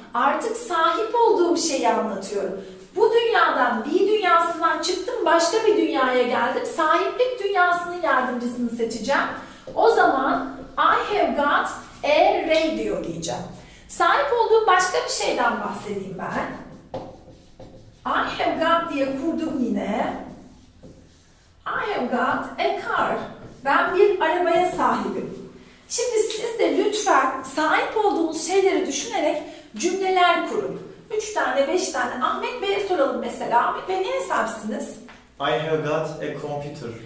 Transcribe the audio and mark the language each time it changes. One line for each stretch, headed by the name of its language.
Turkish: Artık sahip olduğum şeyi anlatıyorum. Bu dünyadan, bir dünyasından çıktım, başka bir dünyaya geldim. Sahiplik dünyasının yardımcısını seçeceğim. O zaman
English: I have got a radio
Turkish: diyeceğim. Sahip olduğum başka bir şeyden bahsedeyim ben.
English: I have got
Turkish: diye kurdum yine.
English: I have got a car.
Turkish: Ben bir arabaya sahibim. Şimdi siz de lütfen sahip olduğunuz şeyleri düşünerek cümleler kurun. 3 tane, 5 tane. Ahmet Bey'e soralım mesela. Ahmet Bey neye sahipsiniz?
English: I have got a computer.